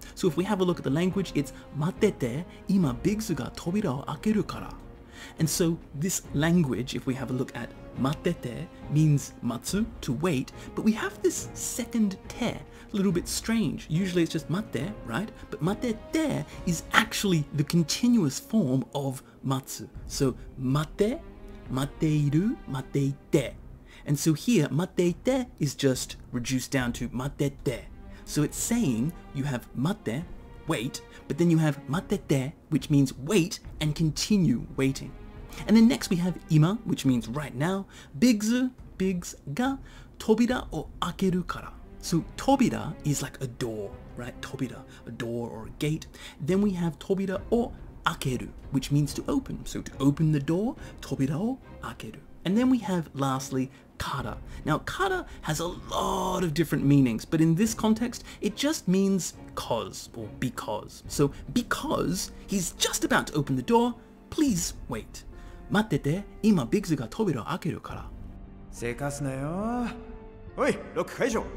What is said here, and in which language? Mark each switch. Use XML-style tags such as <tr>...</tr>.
<en>So if we have a look at the language, it's</en> <ja>待ってて、今ビッグスが扉を開けるから.</ja> <en>And so this language, if we have a look at 待ってて, means 待つ, to wait, but we have this second te, a little bit strange. Usually it's just 待って, right? But 待ってて is actually the continuous form of 待つ. So</en> <ja>待って, 待っている, 待っていて.</ja> <en>And so here, 待っていて is just reduced down to 待ってて. So it's saying you have 待って, wait, but then you have 待ってて, which means wait and continue waiting. And then next we have 今, which means right now.</en> <ja>ビッグズが扉を開けるから.</ja> <en>So 扉 is like a door, right? 扉, a door or a gate. Then we have</en> <ja>扉を開ける,</ja> <en>which means to open. So to open the door,</en> <ja>扉を開ける.</ja> <en>And then we have lastly, から. Now, から has a lot of different meanings, but in this context, it just means cause or because. So because he's just about to open the door, please wait.</en> <ja>待ってて、今ビッグズが扉を開けるから。せかすなよ。おい、ロック解除!</ja>